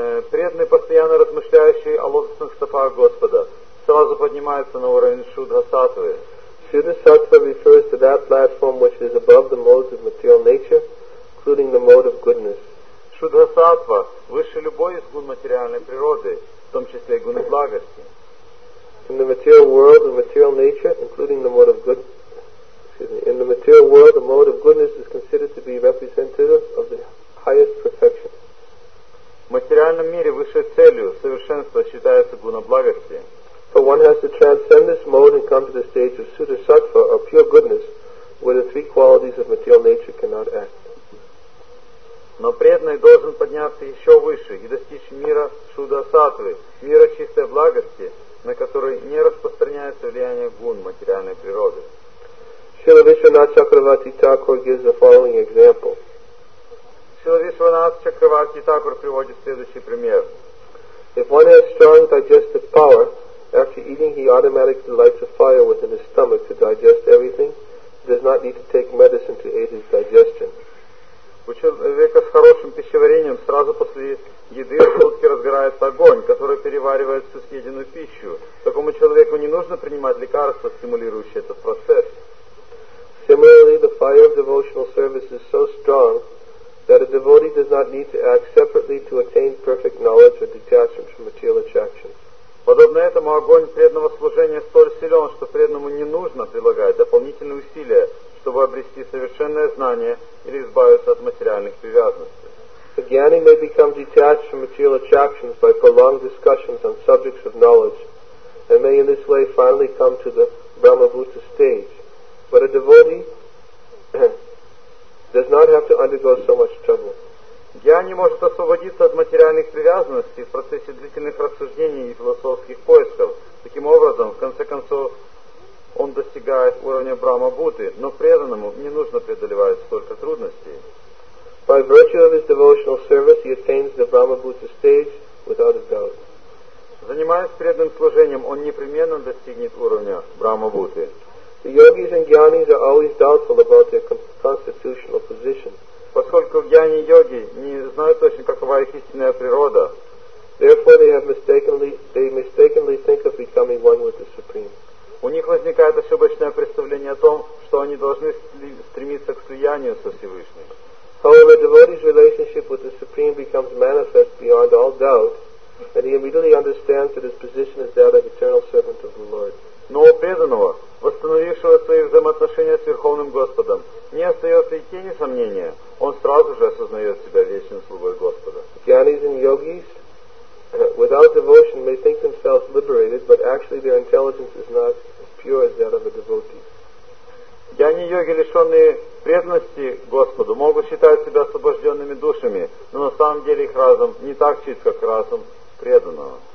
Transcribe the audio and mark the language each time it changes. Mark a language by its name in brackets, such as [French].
[Russian] Преданный, постоянно размышляющий о лотосных стопах Господа, сразу поднимается на уровень Шудха Саттвы. [English] Shuddha Sattva refers to that platform which is above the modes of material nature, including the mode of goodness. [Russian] Шудха Саттва выше любой из гун материальной природы, в том числе и гуны благости. [English] In the material world, of material nature, including the mode of goodness, in the material world, the mode of goodness is considered to be representative of the highest perfection. [Russian] В материальном мире высшей целью совершенства считается гуна благости. [English] But one has to transcend this mode and come to the stage of Shuddha Sattva, or pure goodness, where the three qualities of material nature cannot act. [Russian] Но преданный должен подняться еще выше и достичь мира Шуддха Саттвы, мира чистой благости, на который не распространяется влияние гун материальной природы. [English] Srila Vishwanath Chakravarti Thakur gives the following example. [Russian] Srila Vishwanath Chakravarti Thakur приводит следующий пример. [English] If one has strong digestive power, after eating he automatically lights a fire within his stomach to digest everything, he does not need to take medicine to aid his digestion. [Russian] У человека с хорошим пищеварением сразу после еды в желудке разгорается огонь, который переваривает всю съеденную пищу. Такому человеку не нужно принимать лекарства, стимулирующие этот процесс. [English] Similarly, the fire of devotional service is so strong that a devotee does not need to act separately to attain perfect knowledge or detachment from material attractions. [Russian] Подобно этому, огонь преданного служения столь силен, что преданному не нужно прилагать дополнительные усилия, чтобы обрести совершенное знание или избавиться от материальных привязанностей. [English] A jnani may become detached from material attractions by prolonged discussions on subjects of knowledge and may in this way finally come to the Brahmabhuta stage. But a devotee does not have to undergo so much trouble. [Russian] Гьяни может освободиться от материальных привязанностей в процессе длительных рассуждений и философских поисков. Таким образом, в конце концов, он достигает уровня Брахмабуты, но преданному не нужно преодолевать столько трудностей. [English] By virtue of his devotional service, he attains the Brahmabhuta stage without a doubt. [Russian] Занимаясь преданным служением, он непременно достигнет уровня Брахмабуты. [English] The yogis and jnanis are always doubtful about their constitutional position. [Russian] Поскольку гьяни и йоги не знают точно, какова их истинная природа, [English] therefore they mistakenly think of becoming one with the Supreme. [Russian] У них возникает ошибочное представление о том, что они должны стремиться к слиянию со Всевышним. [English] However, devotee's relationship with the Supreme becomes manifest beyond all doubt, and he immediately understands that his position is that of eternal servant of the Lord. [Russian] Но у преданного, восстановившего свои взаимоотношения с Верховным Господом, не остается и тени сомнения, он сразу же осознает себя вечным слугой Господа. [English] Jnanis and yogis, without devotion, may think themselves liberated, but actually their intelligence is not as pure as that of a devotee. [Russian] Jnani и йоги, лишенные преданности Господу могут считать себя освобожденными душами, но на самом деле их разум не так чист, как разум преданного.